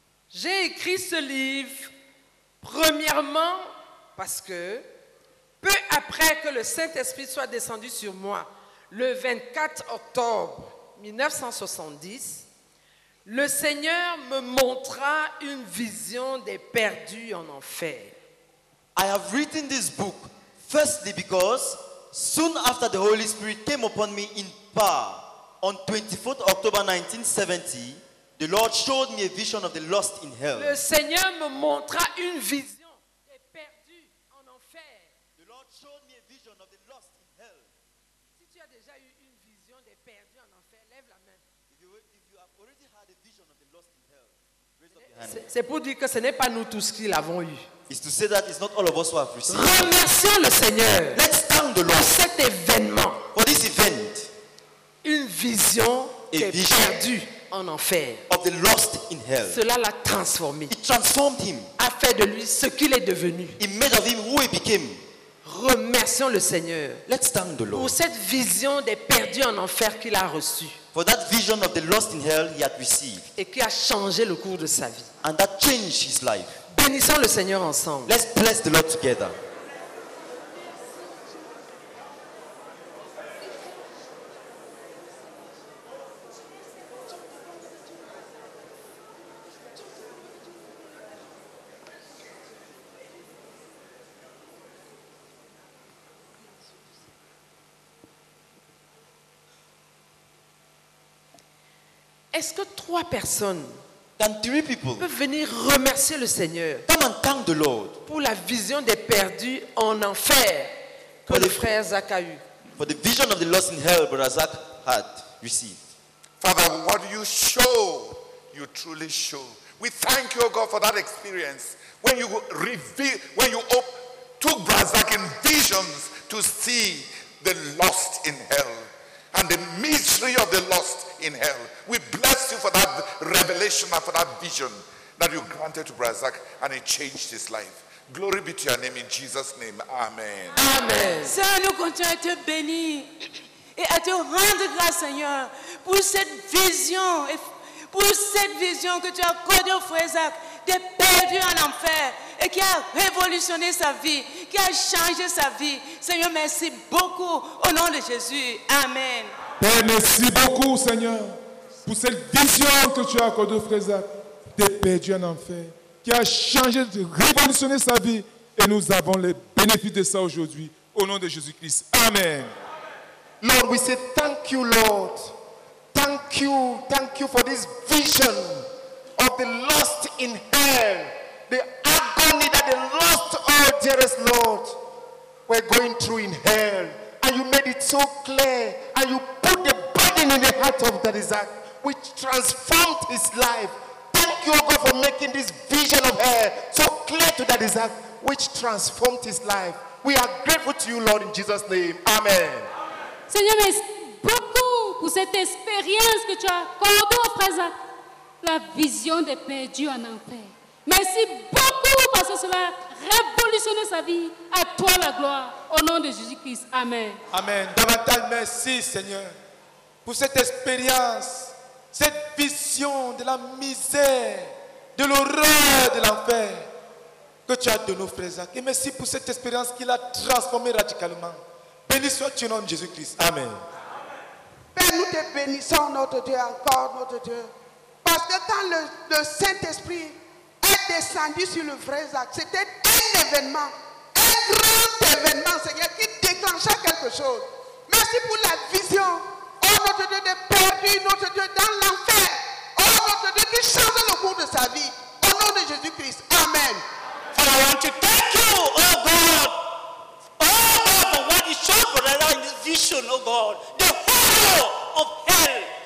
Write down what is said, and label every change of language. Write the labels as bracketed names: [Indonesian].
[French] j'ai écrit ce livre premièrement parce que peu après que le Saint-Esprit soit descendu sur moi, le 24 octobre 1970, le Seigneur me montra une vision des perdus en enfer. [English] I have written this book firstly because soon after the Holy Spirit came upon me in power, On 24th October 1970, the Lord showed me a vision of the lost in hell. [French] Le Seigneur me montra une vision des perdus en enfer. [English] The Lord showed me a vision of the lost in hell. [French] Si tu as déjà eu une vision des perdus en enfer, lève la main. [English] If you have already had a vision of the lost in hell, raise up your hand. [French] C'est pour dire que ce n'est pas nous tous qui l'avons eu. [English] It's to say that it's not all of us who have received. [French] Remercions le Seigneur. [English] Let's thank the Lord. [French] Pour cet événement. [English] For this event. [French] Une vision des perdus en enfer. [English] Of the lost in hell. [French] Cela l'a transformé. [English] It transformed him. [French] A fait de lui ce qu'il est devenu. [English] It made of him who he became. [French] Remercions le Seigneur. [English] Let's thank the Lord. [French] Pour cette vision des perdus en enfer qu'il a reçue. [English] For that vision of the lost in hell he had received. [French] Et qui a changé le cours de sa vie. [English] And that changed his life. [French] Bénissons le Seigneur ensemble. [English] Let's bless the Lord together. [French] Est-ce que trois personnes [English] Can three people [French] peuvent venir remercier le Seigneur [English] come and thank the Lord [French] pour la vision des perdus en enfer que le frère Zach a eu? [English] For the vision of the lost in hell Brother Zach had received. Father, what you show, you truly show. We thank you, God, for that experience when you reveal, when you took Brother Zach in visions to see the lost in hell and the mystery of the lost in hell. We bless you for that revelation and for that vision that you granted to Brother Zach, and it changed his life. Glory be to your name in Jesus' name. Amen. Amen. [French] Seigneur, nous continuons à te bénir et à te rendre grâce, Seigneur, pour cette vision, pour cette vision que tu as accordée au frère Zach, des perdus en enfer, et qui a révolutionné sa vie, qui a changé sa vie. Seigneur, merci beaucoup au nom de Jésus. Amen. Père, merci beaucoup, Seigneur, pour cette vision que tu as accordée au frère Zach, des perdus en enfer, qui a changé, révolutionné sa vie, et nous avons les bénéfices de ça aujourd'hui, au nom de Jésus-Christ. Amen. [English] Lord, we say thank you, Lord. Thank you for this vision of the lost in hell, the agony that the lost, oh dearest Lord, were going through in hell. And you made it so clear, and you put the burden in the heart of that Isaac, which transformed his life. Thank you, God, for making this vision of hell so clear to that Isaac, which transformed his life. We are grateful to you, Lord, in Jesus' name. Amen. [French] Seigneur, merci beaucoup pour cette expérience que tu as accordée au présent, la vision des perdus en enfer. Merci beaucoup parce que cela a révolutionné sa vie. À toi la gloire, au nom de Jésus-Christ. Amen. Amen. Davantage merci, Seigneur, pour cette expérience, cette vision de la misère, de l'horreur de l'enfer que tu as donné au frère Zach. Et merci pour cette expérience qui l'a transformé radicalement. Béni sois-tu au nom de Jésus-Christ. Amen. Amen. Père, nous te bénissons, notre Dieu, encore, notre Dieu. Parce que quand le Saint-Esprit est descendu sur le vrai Zach, c'était un événement, un grand événement, Seigneur, qui déclenchait quelque chose. Merci pour la vision. Oh, notre Dieu, de perdu, notre Dieu, dans l'enfer. Oh, notre Dieu, qui change le cours de sa vie. Au nom de Jésus-Christ. Amen. [English] For I want to thank you, oh God. Oh God, for what you showed for us in this vision, oh God. The horror of hell.